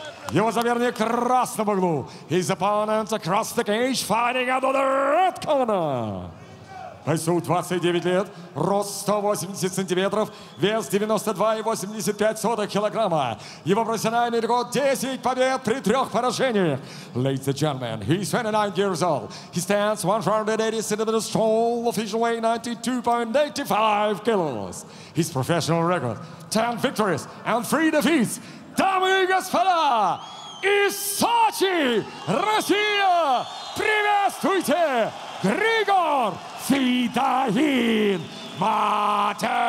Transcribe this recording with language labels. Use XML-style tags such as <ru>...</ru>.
<ru>Его соперник в красном углу.</ru> <en>His opponent across the cage fighting out of the red corner.</en> <ru>Бойцу 29 лет, рост 180 сантиметров, вес 92,85 килограмма. Его профессиональный рекорд 10 побед при 3 поражениях.</ru> <en>Ladies and gentlemen, he's 29 years old. He stands 180 centimeters tall, official weight 92.85 kilos. His professional record 10 victories and 3 defeats.</en> <ru>Дамы и господа, из Сочи, Россия, приветствуйте Григор Федоин Матевосян!</ru>